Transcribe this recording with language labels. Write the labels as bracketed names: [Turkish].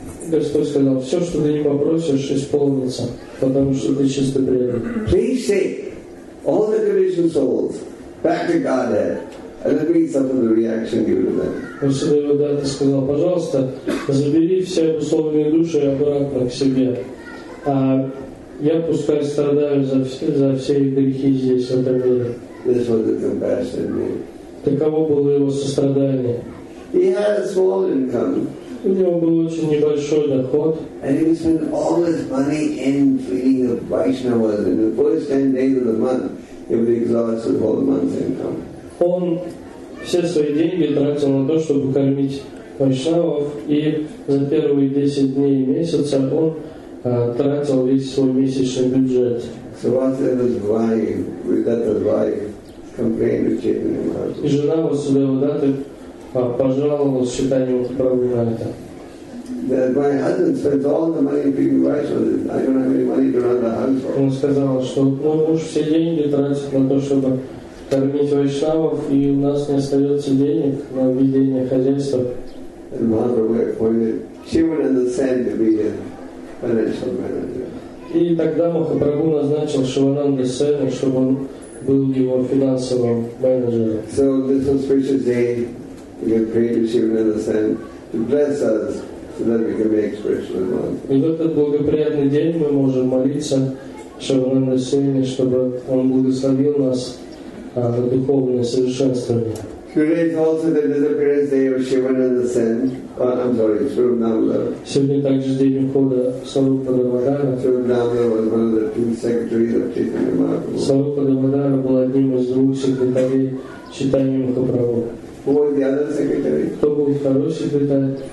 [Russian] Господь сказал, все, что ты не попросишь, исполнится, потому что ты чисто преданный. [English] Please take all the conditioned souls back to Godhead and agree some of the reaction given to them. [Russian] Господь Дата сказал, пожалуйста, забери все обусловленные души обратно к себе. А я пускай страдаю за все грехи здесь, в этом мире. [English] This was the compassion made. [Russian] Таково было его сострадание. [English] He had a small income. [Russian] У него был очень небольшой доход. [English] And he spent all his money in feeding the Vaishnavas. In the first 10 days of the month, he would exhaust all the month's income. [Russian] Он все свои деньги тратил на то, чтобы кормить вайшнавов, и за первые 10 дней месяца он тратил весь свой месячный бюджет. [English] So Vasudeva's wife, Vidatta's wife, complained to Chaitanya Mahaprabhu. [Russian] И жена Васудева Датты пожаловалась Чайтанье Махапрабху на это. [English] That my husband spends all the money feeding Vaishnavas. I don't have any money to run the house for. [Russian] Он сказал, что мой муж все деньги тратит на то, чтобы кормить вайшнавов, и у нас не остается денег на ведение хозяйства. [English] And Mahaprabhu appointed Shivananda Sen to be the financial manager. [Russian] И тогда Махапрабху назначил Шивананда Сену, чтобы он был его финансовым менеджером. [English] So this auspicious day, we can pray to Shivananda Sen to bless us so that we can make spiritual advance. [Russian] И в этот благоприятный день мы можем молиться Шивананда Сене, чтобы он благословил нас на духовное совершенствование. [English] Today is also the disappearance day of Shivananda Sen. Oh, I'm sorry, Swarup Damodara. [Russian] Сегодня также день ухода Сарупа Дамодара. [English] Swarup Damodara was one of the two secretaries of Chaitanya Mahaprabhu. [Russian] Сарупа Дамодара был одним из двух секретарей Чайтаньи Махапрабху. [English] Who was the other secretary? [Russian] Кто был второй секретарь?